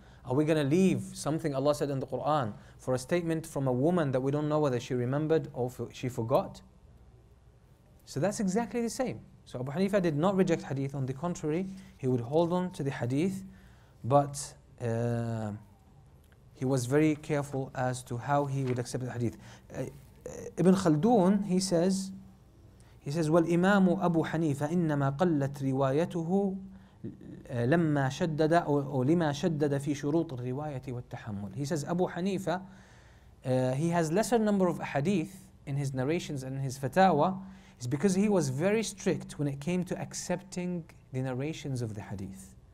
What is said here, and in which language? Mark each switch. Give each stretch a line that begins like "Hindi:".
English: Are we going to leave something Allah said in the Quran for a statement from a woman that we don't know whether she remembered or she forgot? So that's exactly the same. So Abu Hanifa did not reject hadith. On the contrary, he would hold on to the hadith, but he was very careful as to how he would accept the hadith. Ibn Khaldun, he says,
Arabic: والإمام أبو حنيفة إنما قلت روايته لما شدد أو لما شدد في شروط الرواية والتحمل.
English: He says Abu Hanifa, he has lesser number of hadith in his narrations and his fatawa, is because he was very strict when it came to accepting the narrations of the hadith.